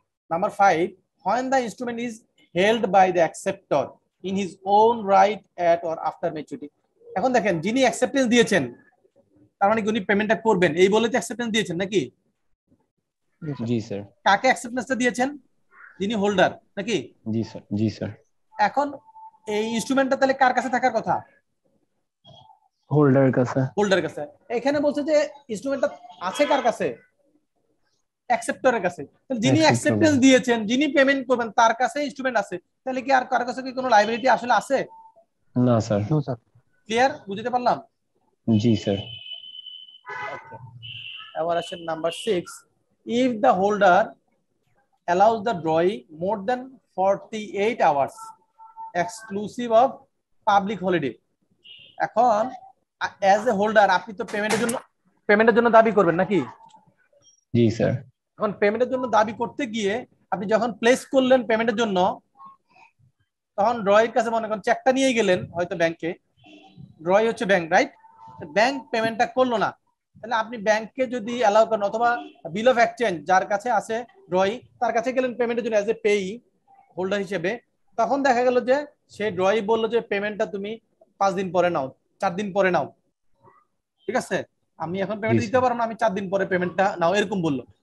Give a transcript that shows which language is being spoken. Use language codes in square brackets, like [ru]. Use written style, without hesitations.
[en] Number 5, when the instrument is held by the acceptor in his own right at or after maturity. [bn] এখন দেখেন যিনি acceptance দিয়েছেন তার মানে কি উনি পেমেন্টটা করবেন, এই বলে তো অ্যাকসেপ্টেন্স দিয়েছেন নাকি? জি স্যার। কাকে অ্যাকসেপ্টেন্সটা দিয়েছেন? যিনি হোল্ডার নাকি? জি স্যার। জি স্যার। এখন এই ইনস্ট্রুমেন্টটা তাহলে কার কাছে থাকার কথা? হোল্ডারের কাছে। হোল্ডারের কাছে। এখানে বলছে যে ইনস্ট্রুমেন্টটা আছে কার কাছে? অ্যাকসেপ্টরের কাছে। তাহলে যিনি অ্যাকসেপ্টেন্স দিয়েছেন, যিনি পেমেন্ট করবেন তার কাছে ইনস্ট্রুমেন্ট আছে, তাহলে কি আর কার কাছে কি কোনো লায়াবিলিটি আসলে আছে? না স্যার। No sir. ক্লিয়ার? বুঝতে পারলাম? জি স্যার। ওকে। এবার আসেন number 6, [en] if the holder allows the drawee more than 48 hours exclusive of public holiday. [bn] এখন [en] as a holder [bn] আপনি তো পেমেন্টের জন্য দাবি করবেন নাকি? জি স্যার। এখন পেমেন্টের জন্য দাবি করতে গিয়ে আপনি যখন প্লেস করলেন পেমেন্টের জন্য, তখন ড্রয়ের কাছে মনে করেন চেকটা নিয়ে গেলেন হয়তো ব্যাংকে, ড্রয় হচ্ছে ব্যাংক রাইট, ব্যাংক পেমেন্টটা করলো না, তাহলে আপনি ব্যাংককে যদি অ্যালাউ করেন অথবা বিল অফ এক্সচেঞ্জ যার কাছে আছে ড্রয় তার কাছে গেলেন পেমেন্টের জন্য অ্যাজ এ পেই হোল্ডার হিসেবে, তখন দেখা গেল যে সে ড্রয় বললো যে পেমেন্টটা তুমি 5 দিন পরে নাও, 4 দিন পরে নাও, ঠিক আছে আমি এখন পেমেন্ট দিতে পারবো না, আমি 4 দিন পরে পেমেন্টটা নাও এরকম বললো।